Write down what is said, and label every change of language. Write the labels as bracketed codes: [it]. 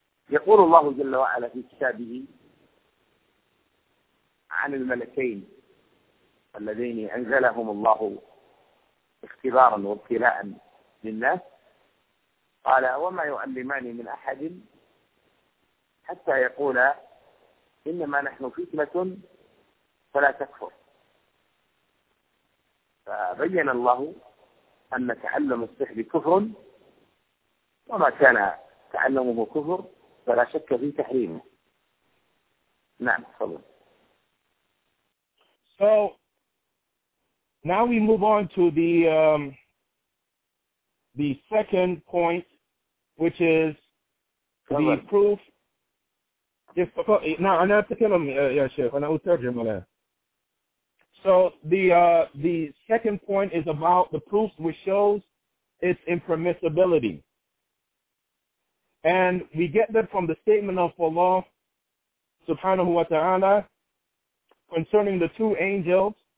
[ar] يقول الله جل وعلا في كتابه عن الملكين الذين أنزلهم الله اختبارا وابتلاء للناس، قال: وما يعلمان من أحد حتى يقولا إنما نحن فتنة فلا تكفر. فبين الله أن تعلم السحر كفر، وما كان تعلمه كفر فلا شك في تحريمه. نعم تفضل. [en] So now we move on to the second point, which is the proof. Yes, no, [ar] أنا أتكلم يا شيخ أنا أترجم له. [en] So the second point is about the proof which shows its impermissibility. And we get that from the statement of Allah subhanahu wa ta'ala concerning the two angels